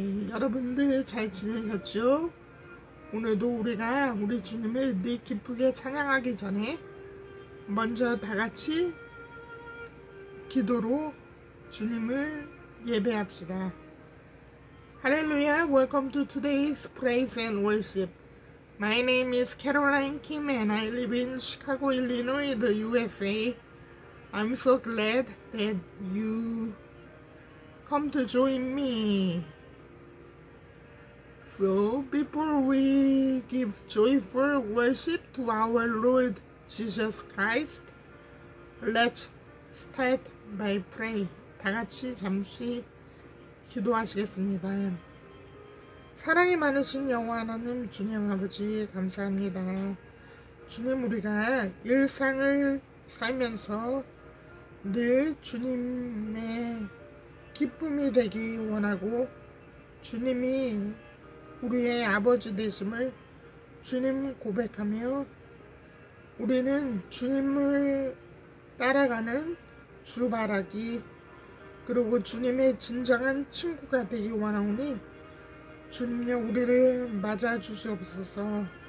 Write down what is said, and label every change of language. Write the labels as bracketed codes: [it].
[ko] 여러분들 잘 지내셨죠? 오늘도 우리가 우리 주님을 늘 기쁘게 찬양하기 전에 먼저 다 같이 기도로 주님을 예배합시다. [en] 할렐루야, welcome to today's praise and worship. My name is Caroline Kim and I live in Chicago, Illinois, the USA. I'm so glad that you come to join me. So, before we give joyful worship to our Lord Jesus Christ, let's start by praying. [ko] 다 같이 잠시 기도하시겠습니다. 사랑이 많으신 여호와 하나님, 주님 아버지, 감사합니다. 주님, 우리가 일상을 살면서 늘 주님의 기쁨이 되기 원하고, 주님이 우리의 아버지 되심을 주님 고백하며 우리는 주님을 따라가는 주바라기 그리고 주님의 진정한 친구가 되기 원하오니 주님여 우리를 맞아 주시옵소서.